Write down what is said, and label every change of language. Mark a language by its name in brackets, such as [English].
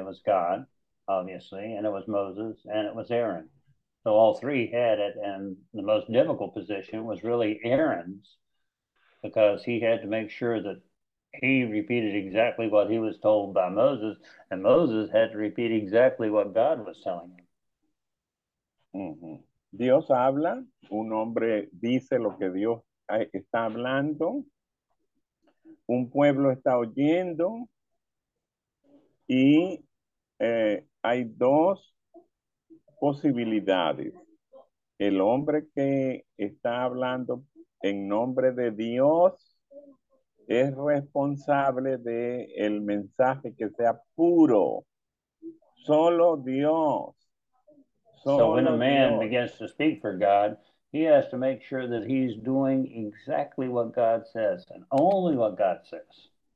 [English] It was God, obviously, and it was Moses, and it was Aaron. So all three had it, and the most difficult position was really Aaron's, because he had to make sure that he repeated exactly what he was told by Moses, and Moses had to repeat exactly what God was telling him. Mm-hmm. [Spanish] Dios habla, un hombre dice lo que Dios está hablando, un pueblo está oyendo, y hay dos posibilidades. El hombre que está hablando en nombre de Dios es responsable de el mensaje que sea puro. Solo Dios. [English] So when a man begins to speak for God, he has to make sure that he's doing exactly what God says and only what God says.